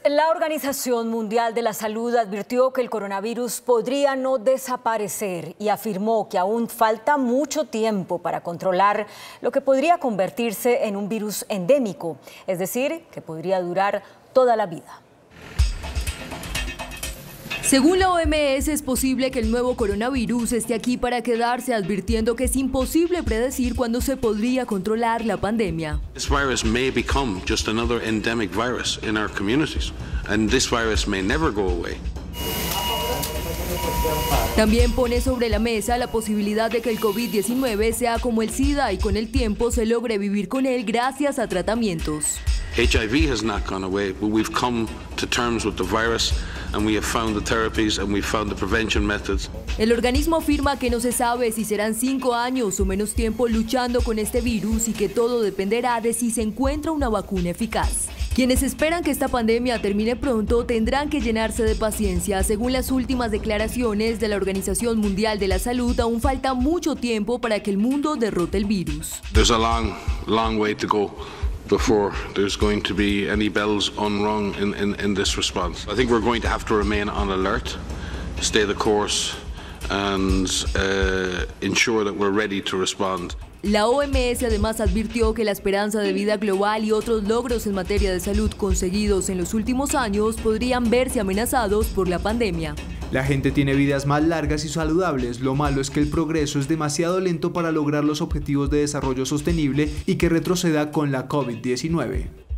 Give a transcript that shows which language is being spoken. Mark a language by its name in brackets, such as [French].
[Spanish] La Organización Mundial de la Salud advirtió que el coronavirus podría no desaparecer y afirmó que aún falta mucho tiempo para controlar lo que podría convertirse en un virus endémico, es decir, que podría durar toda la vida. Según la OMS, es posible que el nuevo coronavirus esté aquí para quedarse, advirtiendo que es imposible predecir cuándo se podría controlar la pandemia. [English] This virus may become just another endemic virus in our communities, and this virus may never go away. [Spanish] También pone sobre la mesa la posibilidad de que el COVID-19 sea como el SIDA y con el tiempo se logre vivir con él gracias a tratamientos. [English] HIV has not gone away, but we've come to terms with the virus and we have found the therapies and we've found the prevention methods. [Spanish] El organismo afirma que no se sabe si serán 5 años o menos tiempo luchando con este virus y que todo dependerá de si se encuentra una vacuna eficaz. Quienes esperan que esta pandemia termine pronto tendrán que llenarse de paciencia. Según las últimas declaraciones de la Organización Mundial de la Salud, aún falta mucho tiempo para que el mundo derrote el virus. [English] There's a long, long way to go before there's going to be any bells unrung in this response. I think we're going to have to remain on alert, stay the course, and ensure that we're ready to respond. [Spanish] La OMS además advirtió que la esperanza de vida global y otros logros en materia de salud conseguidos en los últimos años podrían verse amenazados por la pandemia. La gente tiene vidas más largas y saludables. Lo malo es que el progreso es demasiado lento para lograr los objetivos de desarrollo sostenible y que retroceda con la COVID-19.